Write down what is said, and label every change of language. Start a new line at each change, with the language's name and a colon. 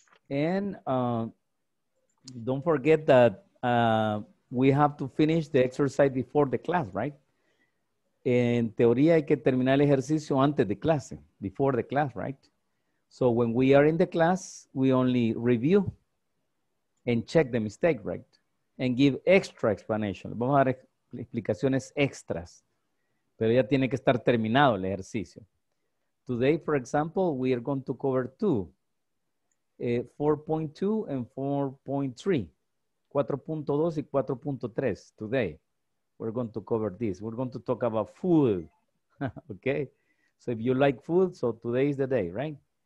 English: And don't forget that we have to finish the exercise before the class, right?
Spanish: En teoría hay que terminar el ejercicio antes de clase,
English: before the class, right? So when we are in the class, we only review and check the mistake, right? And give extra explanation.
Spanish: Vamos a dar explicaciones extras. Pero ya tiene que estar terminado el ejercicio.
English: Today, for example, we are going to cover 4.2 and 4.3. 4.2 y 4.3 today. We're going to cover this. We're going to talk about food, okay? So if you like food, so today is the day, right?